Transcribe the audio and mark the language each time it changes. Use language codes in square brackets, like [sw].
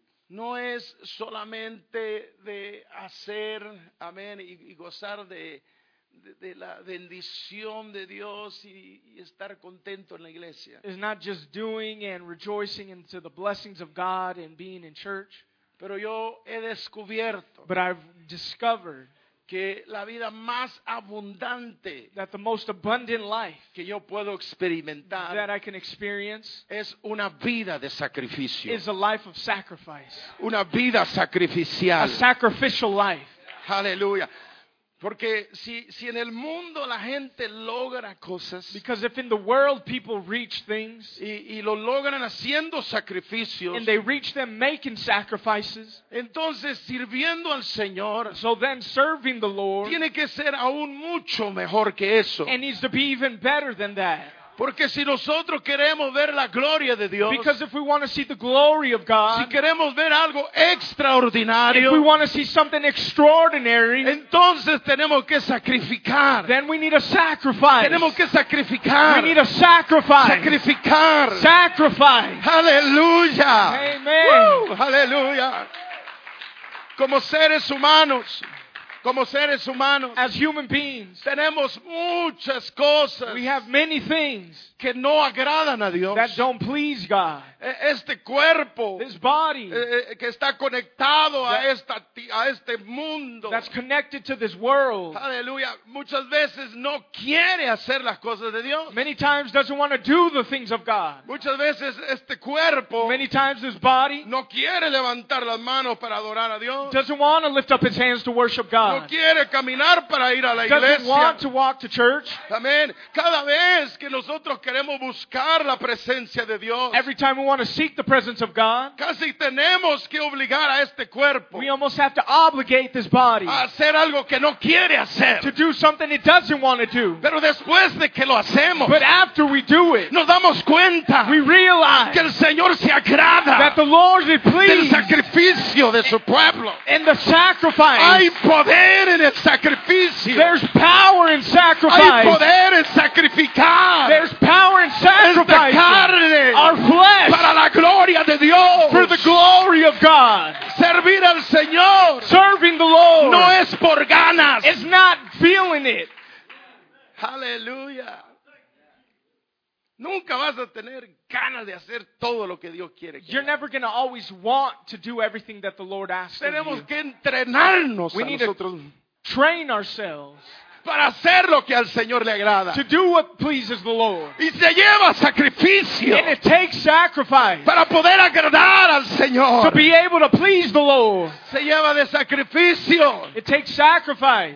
[es] no es solamente de hacer, amén, y gozar de la bendición de Dios y estar contento en la iglesia. [en] It's not just doing and rejoicing into the blessings of God and being in church. [es] Pero yo he descubierto, [en] but I've discovered, [es] que la vida más abundante, [en] that the most abundant life, [es] que yo puedo experimentar, [en] that I can experience, [es] es una vida de sacrificio, [en] is a life of sacrifice, [es] una vida sacrificial, [en] a sacrificial life. Hallelujah. [es] Porque si en el mundo la gente logra cosas, [en] because if in the world people reach things, [es] y lo logran haciendo sacrificios, [en] and they reach them making sacrifices, [es] entonces sirviendo al Señor, [en] so then serving the Lord, [es] tiene que ser aún mucho mejor que eso, [en] and needs to be even better than that. [es] Porque si nosotros queremos ver la gloria de Dios, [en] because if we want to see the glory of God, [es] si queremos ver algo extraordinario, [en] if we want to see something extraordinary, [es] entonces tenemos que sacrificar, [en] then we need a sacrifice, [es] tenemos que sacrificar, [en] we need a sacrifice, [es] sacrificar, [en] sacrifice. Aleluya. Amen. [es] Aleluya. Como seres humanos, como seres humanos, [en] as human beings, [es] tenemos muchas cosas, [en] we have many things, [es] que no agradan a Dios, [en] that don't please God. [es] Este cuerpo, [en] this body, [es] que está conectado a este mundo, [en] that's connected to this world. Aleluya. [es] Muchas veces no quiere hacer las cosas de Dios. [en] Many times doesn't want to do the things of God. [es] Muchas veces este cuerpo, [en] many times this body, [es] no quiere levantar las manos para adorar a Dios. [en] Doesn't want to lift up his hands to worship God. [es] No quiere caminar para ir a la [en] doesn't [es] iglesia. [en] Want to walk to church. Amén. [es] Cada vez que nosotros queremos buscar la presencia de Dios, [en] every time we want to seek the presence of God, [es] casi tenemos que obligar a este cuerpo, [en] we almost have to obligate this body, [es] a hacer algo que no quiere hacer, [en] to do something it doesn't want to do. [es] Pero después de que lo hacemos, [en] but after we do it, [es] nos damos cuenta, [en] we realize, [es] que el Señor se agrada, [en] that the Lord is pleased, [es] del sacrificio de su pueblo, [en] and the sacrifice. [es] Hay poder en el sacrificio. [en] There's power in sacrifice. [es] Hay poder en sacrificar. [en] There's power in sacrifice. [es] Carne, [en] our flesh, [es] para la gloria de Dios, [en] for the glory of God, [es] servir al Señor, [en] serving the Lord, [es] no es por ganas, [en] it's not feeling it. Hallelujah. [es] Nunca vas a tener ganas de hacer todo lo que Dios quiere. [en] You're never going to always want to do everything that the Lord asks of you. [es] Tenemos que entrenarnos, [en] we a need [es] nosotros, [en] to train ourselves, [es] para hacer lo que al Señor le agrada, [en] to do what pleases the Lord, [es] y se lleva sacrificio, [en] and it takes sacrifice, [es] para poder agradar al Señor, [en] to be able to please the Lord, [es] se lleva de sacrificio, [en] it takes sacrifice,